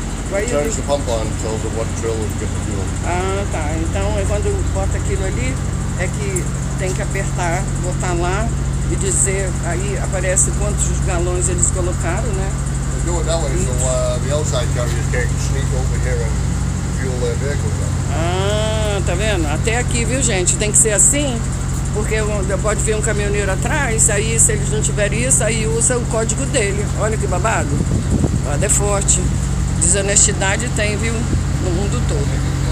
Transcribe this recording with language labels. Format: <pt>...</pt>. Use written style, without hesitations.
<en>Why you turns the pump on, tells it what drill is getting fuel.</en> <pt>Ah, tá. Então é quando bota aquilo ali, é que tem que apertar, botar lá e dizer, aí aparece quantos galões eles colocaram, né?</pt> <en>They do it that way, so the outside carriers can't sneak over here and fuel their vehicles up.</en> <pt>Ah, tá vendo? Até aqui, viu, gente? Tem que ser assim, porque pode vir um caminhoneiro atrás, aí se eles não tiverem isso, aí usa o código dele. Olha que babado. Babado é forte. Desonestidade tem, viu, no mundo todo.</pt>